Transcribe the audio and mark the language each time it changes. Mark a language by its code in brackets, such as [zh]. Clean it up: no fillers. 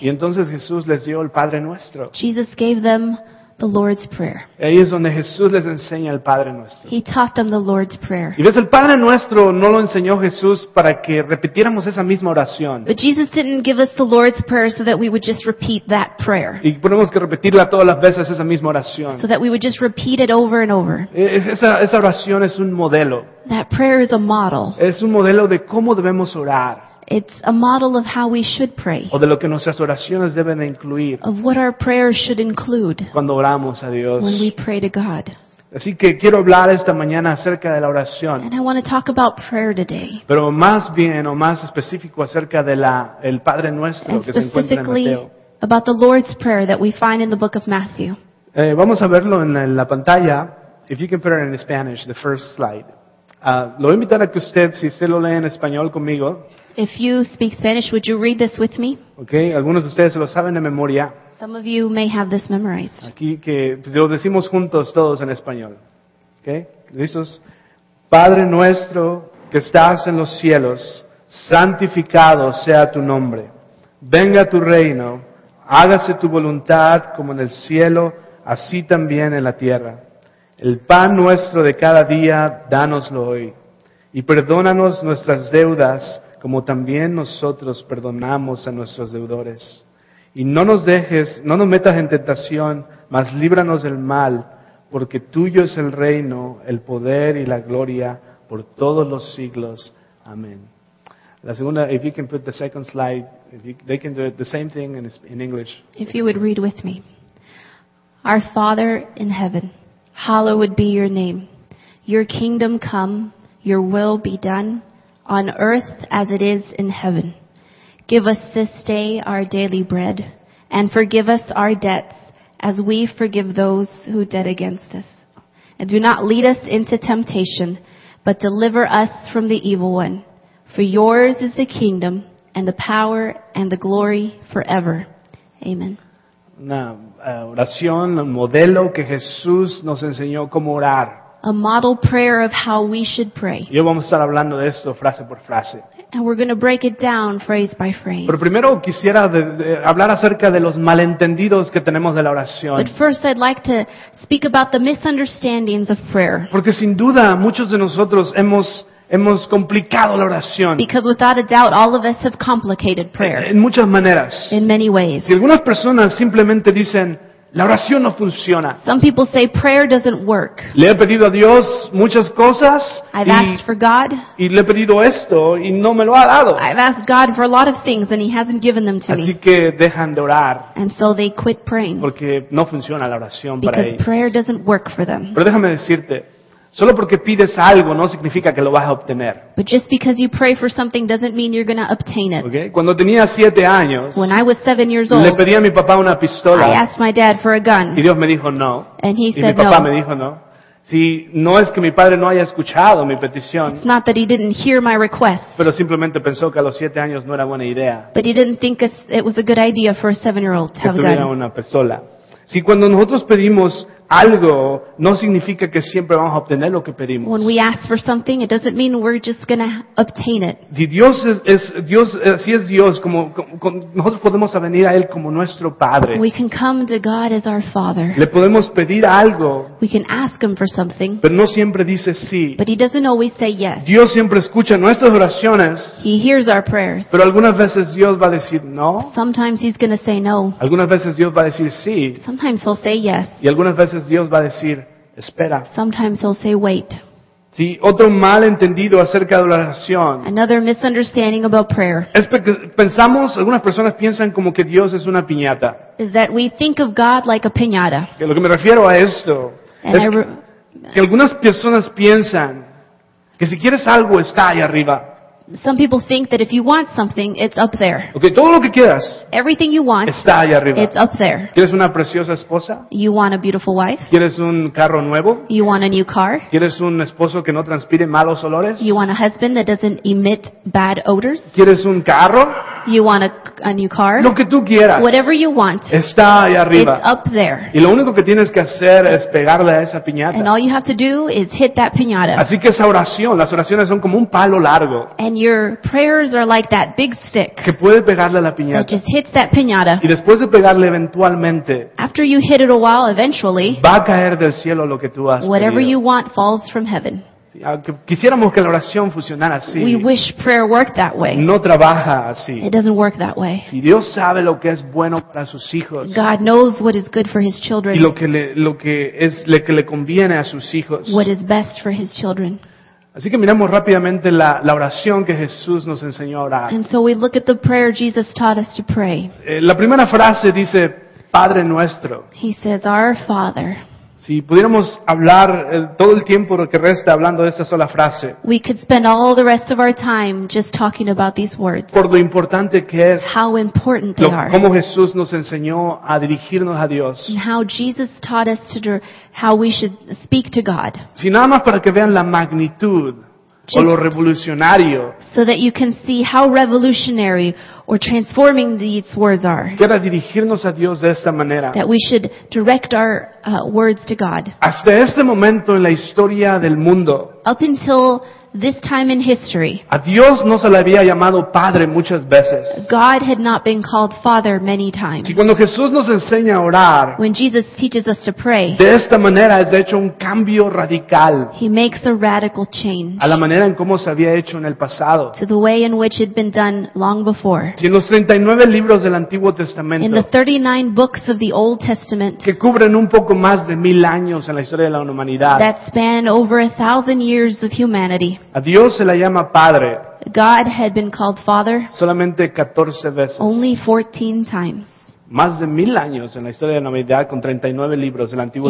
[es] Y entonces Jesús les dio el Padre Nuestro. [en] Jesus gave them the Lord's Prayer. [es] Ahí es donde Jesús les enseña el Padre Nuestro. [en] He taught them the Lord's Prayer. [es] Y ves, el Padre Nuestro no lo enseñó Jesús para que repitiéramos esa misma oración. [en] But Jesus didn't give us the Lord's Prayer so that we would just repeat that prayer. [es] Y tenemos que repetirla todas las veces esa misma oración. [en] So that we would just repeat it over and over. [es] Esa oración es un modelo. [en] That prayer is a model. [es] Es un modelo de cómo debemos orar. [en] It's a model of how we should pray. [es] O de lo que nuestras oraciones deben de incluir. [en] Of what our prayers should include. [es] Cuando oramos a Dios. [en] When we pray to God. [es] Así que quiero hablar esta mañana acerca de la oración. [en] And I want to talk about prayer today. [es] Pero más bien, o más específico, acerca de el Padre Nuestro que se encuentra en Mateo. [en] And specifically about the Lord's Prayer that we find in the book of Matthew. [es] Vamos a verlo en la pantalla. [en] If you can put it in Spanish, the first slide. [es] Lo voy a invitar a que usted, si usted lo lee en español conmigo. [en] If you speak Spanish, would you read this with me? [es] Okay, algunos de ustedes se lo saben de memoria. [en] Some of you may have this memorized. [es] Aquí que lo decimos juntos todos en español. Okay, listos. Padre nuestro que estás en los cielos, santificado sea tu nombre. Venga tu reino, hágase tu voluntad como en el cielo, así también en la tierra. El pan nuestro de cada día, dánoslo hoy. Y perdónanos nuestras deudas, como también nosotros perdonamos a nuestros deudores. Y no nos dejes, no nos metas en tentación, mas líbranos del mal, porque tuyo es el reino, el poder y la gloria por todos los siglos. Amén. La segunda, [en] if you can put the second slide, they can do it, the same thing in English. If you would read with me. Our Father in heaven, hallowed be your name. Your kingdom come, your will be done, on earth as it is in heaven. Give us this day our daily bread, and forgive us our debts, as we forgive those who debt against us. And do not lead us into temptation, but deliver us from the evil one. For yours is the kingdom, and the power, and the glory forever. Amen. [es] Una oración, un modelo que Jesús nos enseñó cómo orar. [en] A model prayer of how we should pray. [es] Y hoy vamos a estar hablando de esto frase por frase. [en] And we're going to break it down phrase by phrase. [es] Pero primero quisiera hablar acerca de los malentendidos que tenemos de la oración. [en] But first I'd like to speak about the misunderstandings of prayer. [es] Porque sin duda muchos de nosotros hemos complicado la oración. [en] Because without a doubt, all of us have complicated prayer. [es] En muchas maneras. [en] In many ways. [es] Si algunas personas simplemente dicen, la oración no funciona. [en] Some people say prayer doesn't work. [es] Le he pedido a Dios muchas cosas. [en] I've asked for God. [es] Y le he pedido esto y no me lo ha dado. [en] I've asked God for a lot of things and he hasn't given them to [es] Así [en] me. [es] Así que dejan de orar. [en] And so they quit praying. [es] Porque no funciona la oración [en] Because [es] para ellos. [en] Because prayer doesn't work for them. [es] Pero déjame decirte, solo porque pides algo no significa que lo vas a obtener. [en] But just because you pray for something doesn't mean you're going to obtain it. [es] Okay. Cuando tenía 7 años, [en] when I was 7 years old, [es] le pedí a mi papá una pistola. [en] I asked my dad for a gun. [es] Y Dios me dijo no. [en] And he [es] y [en] said [es] mi papá [en] no. [es] Me dijo no. Si no es que mi padre no haya escuchado mi petición. [en] It's not that he didn't hear my request. [es] Pero simplemente pensó que a los 7 años no era buena idea. [en] But he didn't think it was a good idea for a 7-year-old to have a gun. [es] Que tuviera una pistola. Si cuando nosotros pedimos algo no significa que siempre vamos a obtener lo que pedimos. [en] When we ask for something, it doesn't mean we're just going to obtain it. [es] Dios es Dios, así es Dios, como nosotros podemos venir a él como nuestro padre. [en] We can come to God as our father. [es] Le podemos pedir algo. [en] We can ask him for something. [es] Pero no siempre dice sí. [en] But he doesn't always say yes. [es] Dios siempre escucha nuestras oraciones. [en] He hears our prayers. [es] Pero algunas veces Dios va a decir no. [en] Sometimes he's going to say no. [es] Algunas veces Dios va a decir sí. [en] Sometimes he'll say yes. [es] Y algunas veces Dios va a decir, espera. [en] Sometimes he'll say, wait. [es] Sí, otro malentendido acerca de la oración. [en] Another misunderstanding about prayer. [es] Es porque pensamos, algunas personas piensan como que Dios es una piñata. [en] Is that we think of God like a piñata. [es] Que lo que me refiero a esto and es que algunas personas piensan que si quieres algo está ahí arriba. [en] Some people think that if you want something, it's up there. [es] Okay, todo lo que quieras. [en] Everything you want. [es] Está ahí arriba. [en] It's up there. [es] ¿Quieres una preciosa esposa? [en] You want a beautiful wife? [es] ¿Quieres un carro nuevo? [en] You want a new car? [es] ¿Quieres un esposo que no transpire malos olores? [en] You want a husband that doesn't emit bad odors? [es] ¿Quieres un carro? [en] You want a new car? [es] Lo que tú quieras. [en] Whatever you want. [es] Está ahí arriba. [en] It's up there. [es] Y lo único que tienes que hacer es pegarle a esa piñata. [en] And all you have to do is hit that piñata. [es] Así que esa oración, las oraciones son como un palo largo. [en] And your prayers are like that big stick [es] que puede pegarle a la piñata. [en] That just hits that piñata. [es] Y después de pegarle eventualmente, [en] after you hit it a while, eventually, [es] va a caer del cielo lo que tú has [en] whatever [es] pedido. [en] You want falls from heaven. [es] Quisiéramos que la oración funcionara así. [en] We wish prayer worked that way. [es] No trabaja así. [en] It doesn't work that way. [es] Si Dios sabe lo que es bueno para sus hijos, [en] God knows what is good for his children. [es] Y lo que le conviene a sus hijos, [en] what is best for his children. [es] Así que miramos rápidamente la oración que Jesús nos enseñó a orar. [en] And so we look at the prayer Jesus taught us to pray. [es] La primera frase dice, Padre nuestro. [en] He says, our Father. [es] Si pudiéramos hablar todo el tiempo que resta hablando de esta sola frase. [en] We could spend all the rest of our time just talking about these words. [es] Por lo importante que es. [en] How important they are. [es] Cómo Jesús nos enseñó a dirigirnos a Dios. [en] And how Jesus taught us to how we should speak to God. [es] Si nada más para que vean la magnitud [en] just [es] o lo revolucionario. [en] So that you can see how revolutionary or transforming these words are. [es] Quiero dirigirnos a Dios de esta manera. [en] That we should direct our words to God. [es] Hasta este momento en la historia del mundo. [en] Up until this time in history. [es] A Dios no se le había llamado Padre muchas veces. [en] God had not been called Father many times. [es] Y cuando Jesús nos enseña a orar. [en] When Jesus teaches us to pray. [es] De esta manera es hecho un cambio radical. [en] He makes a radical change. [es] A la manera en cómo se había hecho en el pasado. [en] To the way in which it had been done long before. [es] Y en los 39 libros del Antiguo Testamento. [en] In the 39 books of the Old Testament. [es] Que cubren un poco más de 1,000 años en la historia de la humanidad. [en] That span over 1,000 years of humanity. [es] A Dios se la llama Padre. [en] God had been called Father. [es] Solamente 14 veces. [en] Only 14 times. [es] Más de 1,000 años en la historia de la humanidad con 39 libros del Antiguo